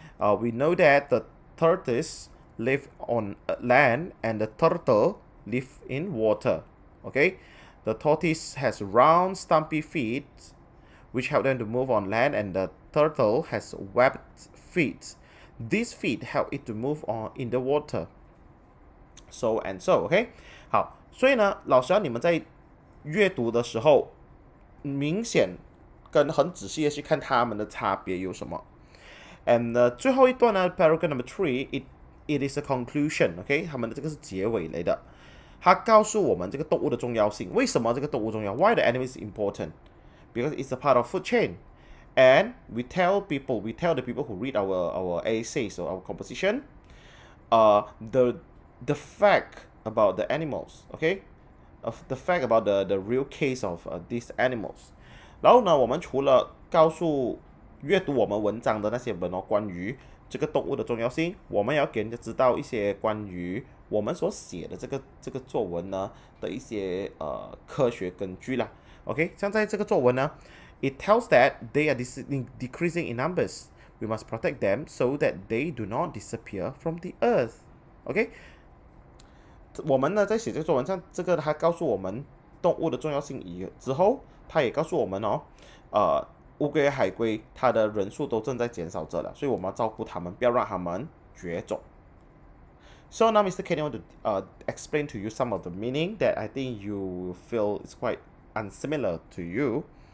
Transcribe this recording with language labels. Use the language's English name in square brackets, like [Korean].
[English] We know that the tortoise live on land and the turtle live in water, okay? The tortoise has round, stumpy feet, which help them to move on land, and the turtle has webbed feet. These feet help it to move on in the water. So and so, okay? [Chinese] 好,所以呢,老师要你们在阅读的时候,明显跟很仔细的去看他们的差别有什么. [English] And [Chinese] 最后一段呢, [English] paragraph number three, it is a conclusion, okay? [Chinese] 他们的这个是结尾来的.他告诉我们这个动物的重要性,为什么这个动物重要? [English] Why the animal is important? Because it's a part of food chain. And we tell the people who read our essays or our composition, the fact about the animals, okay? Of the fact about the real case of these animals. [Chinese] 然后呢，我们除了告诉阅读我们文章的那些人哦，关于这个动物的重要性，我们要给人家知道一些关于我们所写的这个作文呢的一些科学根据啦。 [English] OK， [Chinese] 像在这个作文呢 [English] ，It tells that they are decreasing in numbers. We must protect them so that they do not disappear from the earth. [Chinese] OK， 我们呢在写这个作文，像这个它告诉我们动物的重要性之后，它也告诉我们哦，乌龟、海龟它的人数都正在减少着了，所以我们要照顾它们，不要让它们绝种。 [English] So now, Mr. Kenny, I want to explain to you some of the meaning that I think you feel is quite unsimilar to you.